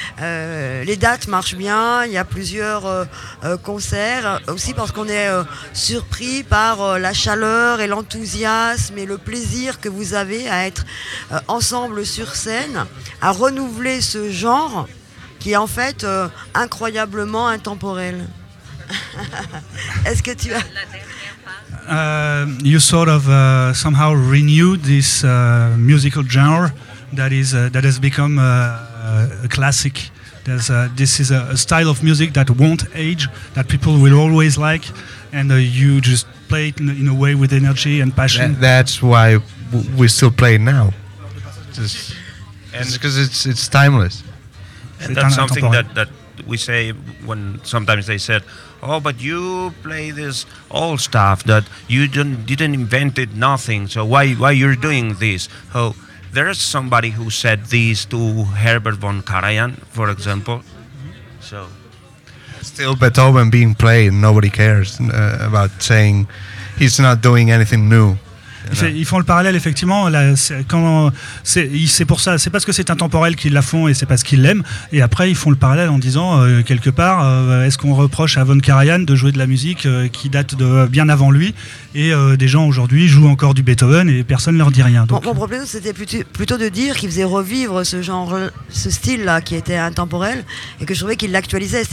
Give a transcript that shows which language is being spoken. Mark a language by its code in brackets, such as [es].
[fr] Les dates marchent bien, il y a plusieurs concerts, aussi parce qu'on est surpris par la chaleur et l'enthousiasme et le plaisir que vous avez à être ensemble sur scène, à renouveler ce genre qui est en fait incroyablement intemporel. Est-ce que tu as... [en] You sort of somehow renewed this musical genre that has become a classic. This is a style of music that won't age, that people will always like, and you just play it in a way with energy and passion. That's why we still play now. It's because it's timeless. And that's something that we say when sometimes they said, oh, but you play this old stuff that you didn't invent it, nothing. So why you're doing this? Oh, there's somebody who said this to Herbert von Karajan, for example. So still Beethoven being played, nobody cares about saying he's not doing anything new. [fr] Ils font le parallèle, effectivement. Là, c'est pour ça. C'est parce que c'est intemporel qu'ils la font et c'est parce qu'ils l'aiment. Et après, ils font le parallèle en disant, quelque part, est-ce qu'on reproche à Von Karajan de jouer de la musique qui date de bien avant lui? Et des gens aujourd'hui jouent encore du Beethoven et personne ne leur dit rien. Donc. Mon problème, c'était plutôt de dire qu'ils faisaient revivre ce style-là qui était intemporel et que je trouvais qu'ils l'actualisaient.